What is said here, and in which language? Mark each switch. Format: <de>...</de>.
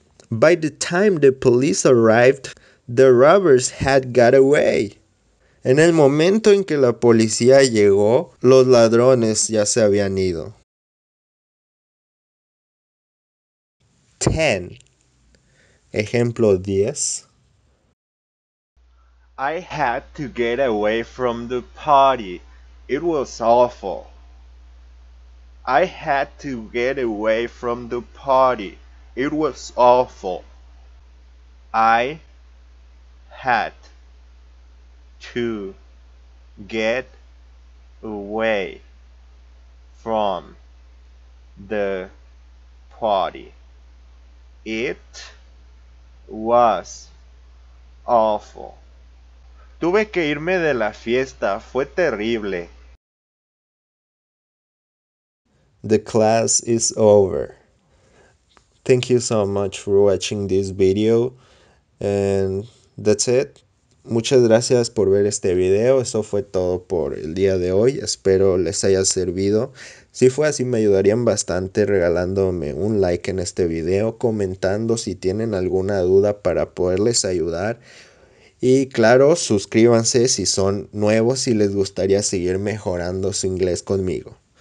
<en>By the time the police arrived, the robbers had got away.</en> <es>En el momento en que la policía llegó, los ladrones ya se habían ido. 10. Ejemplo 10.</es> <en>I had to get away from the party. It was awful. I had to get away from the party. It was awful. I had to get away from the party. It was awful.</en> <es>Tuve que irme de la fiesta. Fue terrible.</es> <en>The class is over. Thank you so much for watching this video. And that's it.</en> <es>Muchas gracias por ver este video. Eso fue todo por el día de hoy. Espero les haya servido. Si fue así, me ayudarían bastante regalándome un like en este video. Comentando si tienen alguna duda para poderles ayudar. Y claro, suscríbanse si son nuevos y les gustaría seguir mejorando su inglés conmigo.</es>